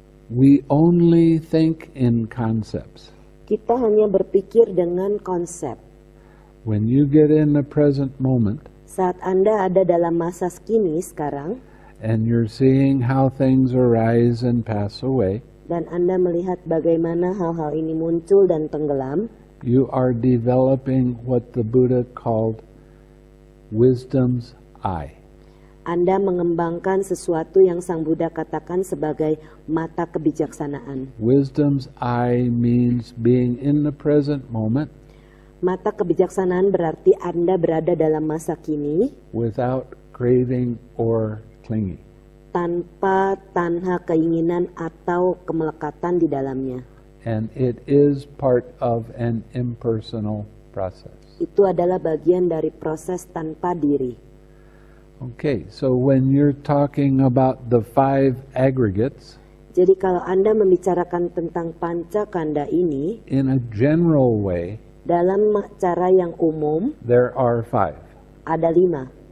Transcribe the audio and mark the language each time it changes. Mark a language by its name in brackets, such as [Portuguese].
[English] We only think in concepts. [Indonesian] Kita hanya berpikir dengan konsep. [English] When you get in the present moment, [Indonesian] saat Anda ada dalam masa kini sekarang, [English] and you're seeing how things arise and pass away, [Indonesian] dan Anda melihat bagaimana hal-hal ini muncul dan tenggelam, [English] you are developing what the Buddha called wisdom's eye. [Indonesian] Anda mengembangkan sesuatu yang Sang Buddha katakan sebagai mata kebijaksanaan. [English] Wisdom's eye means being in the present moment. [Indonesian] Mata kebijaksanaan berarti Anda berada dalam masa kini. [English] Without craving or clinging. [Indonesian] Tanpa tanha keinginan atau kemelekatan di dalamnya. [English] And it is part of an impersonal process. [Indonesian] Itu adalah bagian dari proses tanpa diri. [English] Okay, so when you're talking about the five aggregates, [Indonesian] jadi kalau Anda membicarakan tentang pancakanda ini, [English] in a general way, [Indonesian] dalam cara yang umum, [English] there are five. [Indonesian] Ada lima.